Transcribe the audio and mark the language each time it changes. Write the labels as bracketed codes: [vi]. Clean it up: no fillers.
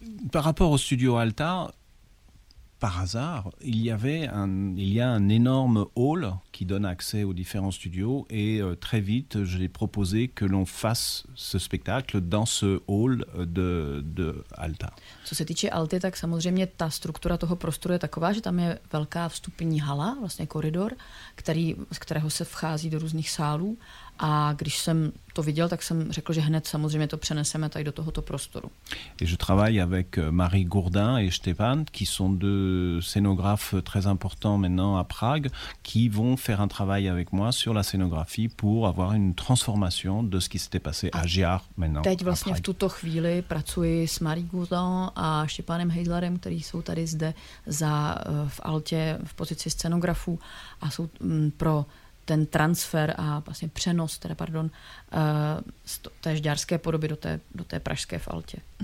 [fr] Par rapport au studio Alta, par hasard, il y a un énorme hall qui donne accès aux différents studios. Et très vite, j'ai proposé que l'on fasse ce spectacle dans ce hall de Alta. [cs] Co se týče Alty, tak samozřejmě ta struktura toho prostoru je taková, že tam je velká vstupní hala, vlastně koridor, z kterého se vchází do různých sálů. A když jsem to viděl, tak jsem řekl, že hned samozřejmě to přeneseme tady do tohoto prostoru. [fr] Et je travaille avec Marie Gourdin et Stéphane, qui sont deux scénographes très importants maintenant à Prague, qui vont faire un travail avec moi sur la scénographie pour avoir une transformation de ce qui s'était passé à Gjár maintenant. [cs] Teď vlastně v tuto chvíli pracuji s Marie Gourdin a Stéphanem Heidlerem, kteří jsou tady zde v Altě v pozici scénografů a jsou pro ten transfer a vlastně přenos teda pardon z té žďárské podoby do té pražské v Altě.